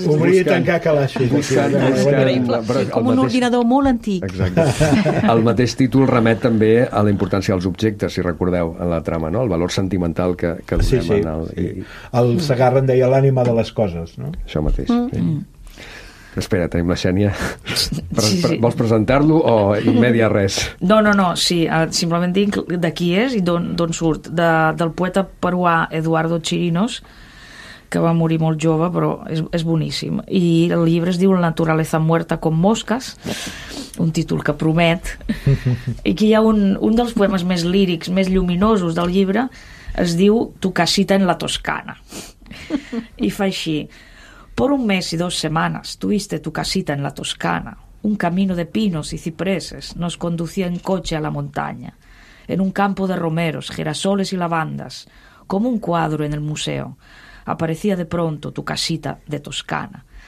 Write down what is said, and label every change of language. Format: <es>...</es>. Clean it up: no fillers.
<ca>Obrir i tancar calaixos. Com un ordinador molt antic. Exacte. El mateix títol remet també a la importància dels objectes, si recordeu, en la trama, no? El valor sentimental que li donem. Sí, sí. El Segarra en deia l'ànima de les coses, no? Això mateix, sí. Espera, tenim la Xènia. Vols presentar-lo o in media res? No. Sí, simplement dic de qui és i d'on surt. Del poeta peruà Eduardo Chirinos, que va morir molt jove, però és boníssim. I el llibre es diu La naturaleza muerta con moscas, un títol que promet. I aquí hi ha un dels poemes més lírics, més lluminosos del llibre, es diu Tu casita en la Toscana. I fa així...</ca> <es>Por un mes y dos semanas tuviste tu casita en la Toscana. Un camino de pinos y cipreses nos conducía en coche a la montaña. En un campo de romeros, girasoles y lavandas, como un cuadro en el museo, aparecía de pronto tu casita de Toscana.</es>